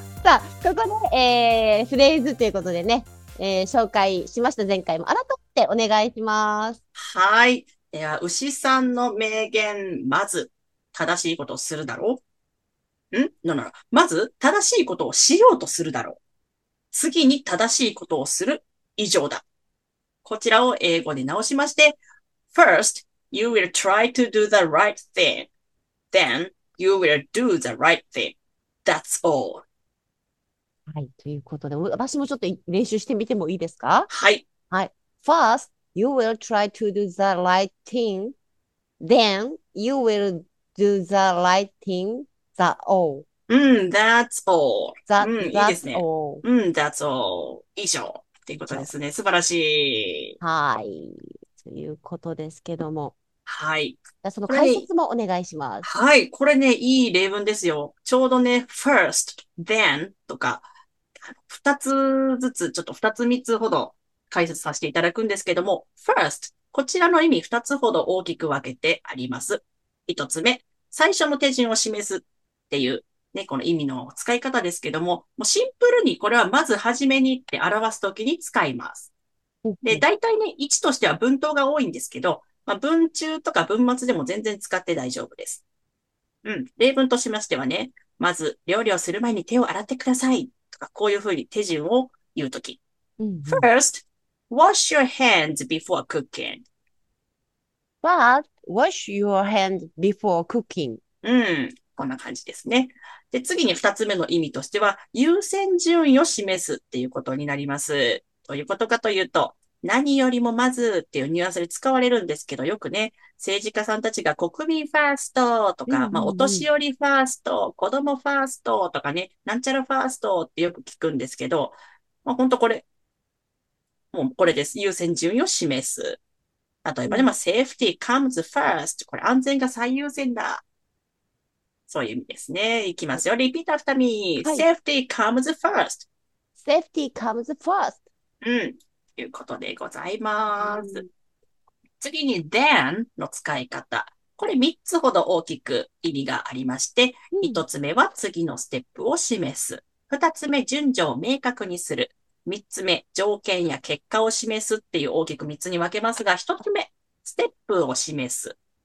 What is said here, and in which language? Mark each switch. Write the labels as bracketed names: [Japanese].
[Japanese] さあ、ここで、フレーズということでね、紹介しました。前回も改めてお願いします。はい、では牛さんの名言、まず正しいことをするだろう、まず正しいことをしようとするだろう、次に正しいことをする、以上だ。こちらを英語に直しまして、 [English] First, you will try to do the right thing. Then, you will do the right thing. That's all. [Japanese] はい、ということで、私もちょっと練習してみてもいいですか？はい。はい。 [English] First, you will try to do the right thing. Then, you will do the right thing. That's all. That's all. That's all. That's all. [Japanese] 以上。ということですね。素晴らしい。はい。ということですけども。はい。その解説もお願いします。はい。これね、いい例文ですよ。ちょうどね、first, then とか、二つずつ、ちょっと二つ三つほど解説させていただくんですけども、first、こちらの意味二つほど大きく分けてあります。一つ目、最初の手順を示すっていう、ね、この意味の使い方ですけども、もうシンプルにこれはまず初めにって表すときに使います。で、大体ね、1としては文頭が多いんですけど、まあ、文中とか文末でも全然使って大丈夫です。例文としましてはね、まず料理をする前に手を洗ってくださいとか、こういうふうに手順を言うとき。 [English] First, wash your hands before cooking. But wash your hands before cooking. [Japanese] こんな感じですね。で、次に2つ目の意味としては、優先順位を示すっていうことになります。ということかというと、何よりもまずっていうニュアンスで使われるんですけど、よくね、政治家さんたちが国民ファーストとか、まあ、お年寄りファースト、子供ファーストとかね、なんちゃらファーストってよく聞くんですけど、まあ、本当これ、もうこれです。優先順位を示す。例えばね、まあ、 [English] safety comes first。 [Japanese] これ安全が最優先だ。そういう意味ですね。いきますよ。 [English] repeat after me.、はい、safety comes first. Safety comes first. [Japanese] ということでございます。次に then の使い方。これ3つほど大きく意味がありまして、1つ目は次のステップを示す。 2つ目、順序を明確にする。3つ目、条件や結果を示すっていう大きく3つに分けますが、1つ目、ステップを示す。